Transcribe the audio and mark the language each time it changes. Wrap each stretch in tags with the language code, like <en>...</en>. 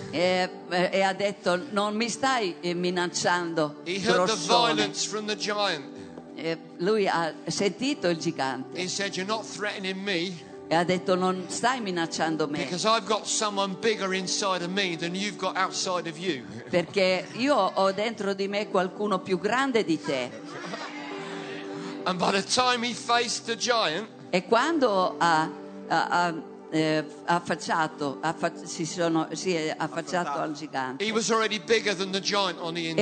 <it>E ha detto, "Non mi stai minacciando."</it> <en>He heard the violence from the giant.</en> <it>Lui ha sentito il gigante.</it> <en>He said, "You're not threatening me."</en> <it>E ha detto, "Non stai minacciando me."</it> <en>Because I've got someone bigger inside of me than you've got outside of you.</en> <it>Perché io ho dentro di me qualcuno più grande di te.</it> <en>And by the time he faced the giant,</en> <it>e quando si è affacciato al gigante,</it> <en>he was already bigger than the giant on the inside.</en>